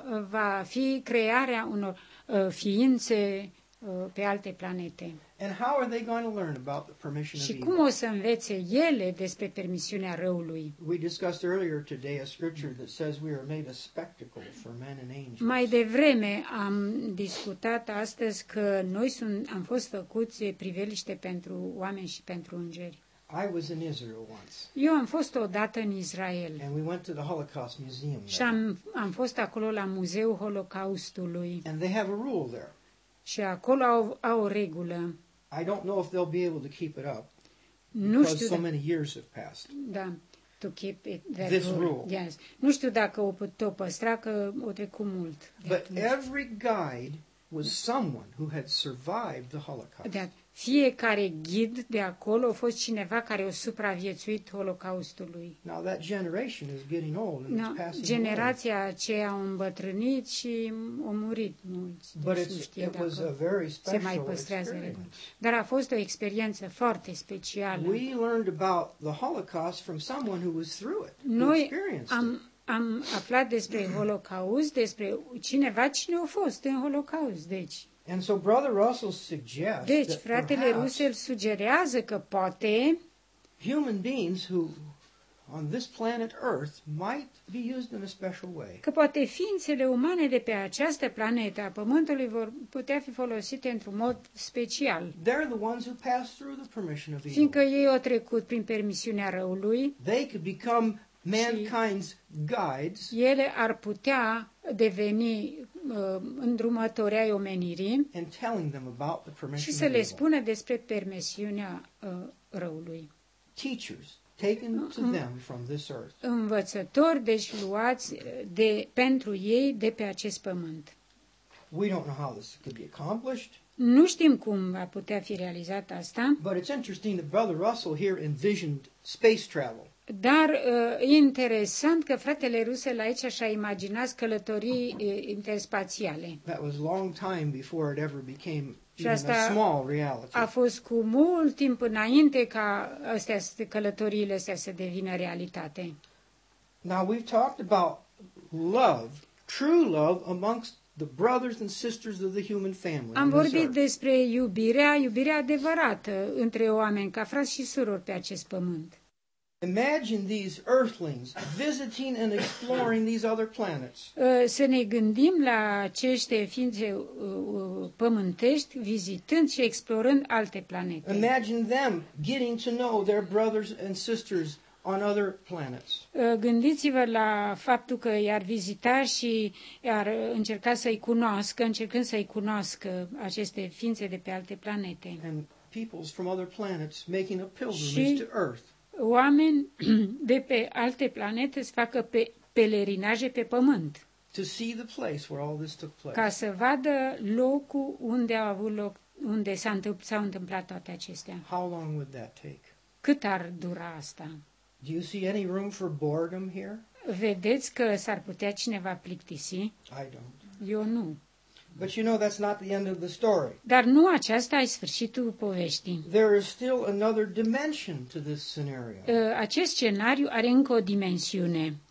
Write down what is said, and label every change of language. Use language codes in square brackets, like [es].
[ro] Va fi crearea unor ființe pe alte planete. [en] And how are they going to learn about the permission of evil? [ro] Și cum o să învețe ele despre permisiunea răului? [en] We discussed earlier today a scripture that says we are made a spectacle for men and angels. [ro] Mai devreme am discutat astăzi că noi am fost făcuți priveliște pentru oameni și pentru îngeri. [en] I was in Israel once. [ro] Eu am fost odată în Israel. [en] And we went to the Holocaust Museum. [ro] Și am fost acolo la Muzeul Holocaustului. [en] And they have a rule there. [ro] Și acolo au o regulă. [en] I don't know if they'll be able to keep it up. [ro] Nu știu. [en] So many years have passed. [ro] Da, [en] to keep it that this rule. Yes. [ro] Nu știu dacă o pot păstra că o trecut mult. [en] But every guide was someone who had survived the Holocaust. [ro] Da, fiecare ghid de acolo a fost cineva care a supraviețuit Holocaustului. [en] Now that generation is getting old and it's passing away. [ro] Generația aceea a îmbătrânit și a murit mulți. [en] But it was a very special experience. [ro] Dar a fost o experiență foarte specială. [en] We learned about the Holocaust from someone who was through it. Who experienced it. [ro] Am aflat despre Holocaust, despre cineva cine a fost în Holocaust, deci. [en] And so Brother Russell suggests [ro] deci, fratele Russell sugerează că poate [en] human beings who on this planet Earth might be used in a special way. [ro] Că poate ființele umane de pe această planetă a Pământului vor putea fi folosite într-un mod special. [en] They're the ones who pass through the permission of evil. [ro] Fiindcă ei au trecut prin permisiunea răului. [en] They could become mankind's guides. [ro] Ele ar putea deveni îndrumători ai omenirii și să le spună despre permisiunea răului. [en] Teachers taken to them from this earth. [ro] Învățători, deci luați de pentru ei de pe acest pământ. [en] We don't know how this could be accomplished. [ro] Nu știm cum va putea fi realizat asta. [en] But it's interesting that Brother Russell here envisioned space travel. [ro] Dar interesant că fratele Russell aici așa imaginați călătorii interspațiale. [en] That was long time before it ever became even a small reality. [ro] A fost cu mult timp înainte ca călătoriile astea să devină realitate. [en] Now we've talked about love, true love amongst the brothers and sisters of the human family. [ro] Am vorbit despre iubirea adevărată între oameni, ca frați și surori pe acest pământ. [en] Imagine these earthlings visiting and exploring these other planets. [ro] Să ne gândim la aceste ființe pământești vizitând și explorând alte planete. [en] Imagine them getting to know their brothers and sisters on other planets. [ro] Gândiți-vă la faptul că i-ar vizita și i-ar încerca să-i cunoască, încercând să-i cunoască aceste ființe de pe alte planete. [en] And peoples from other planets making a pilgrimage to Earth. [ro] Oameni de pe alte planete să facă pelerinaje pe pământ. [en] To see the place where all this took place. [ro] Ca să vadă locul unde a avut loc, unde s-au întâmplat toate acestea. [en] How long would that take? [ro] Cât ar dura asta? [en] Do you see any room for boredom here? [ro] Vedeți că s-ar putea cineva plictisi? [en] I don't. [ro] Eu nu. [en] But you know that's not the end of the story. [ro] Dar nu aceasta e sfârșitul poveștii. [en] There is still another dimension to this scenario. [ro] Acest scenariu are încă o dimensiune.